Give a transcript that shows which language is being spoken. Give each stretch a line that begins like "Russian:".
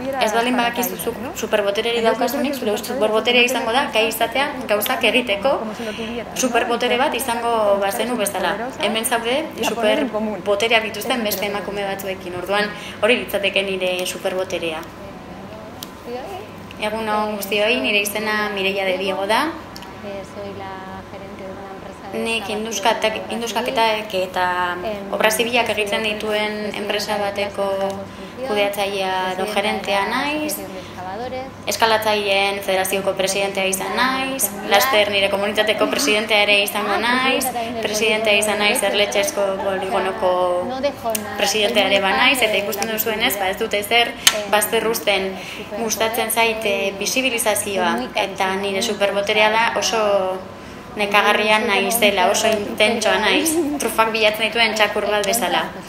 Basque: Ez baldin badakizu superboterea daukazunik, zure superboterea izango da gai izatea gauzak egiteko superbotere bat izango bazenu bezala. Hemen zaude superboterea dituzten beste emakume batzuekin, orduan hori litzateke nire superboterea. Egun on guztioi, nire izena Mireia de Diego da.
Spanish: Soy la gerente de una empresa
Basque: Nik induskaketak eta obra zibilak egiten dituen enpresa bateko kudeatzailea edo gerentea naiz. Eskalatzaileen federazioko presidentea izan naiz, laster nire komunitateko presidentea ere izango naiz, presidentea izan naiz Erletxezko poligonoko presidentea ere banaiz, eta ikusten duzuenez, ez dute zer, bazter usten gustatzen zaite bisibilizazioa, eta nire superboterea da oso nekagarria naiz dela, oso intentsoa naiz, trufak bilatzen dituen txakur bat bezala.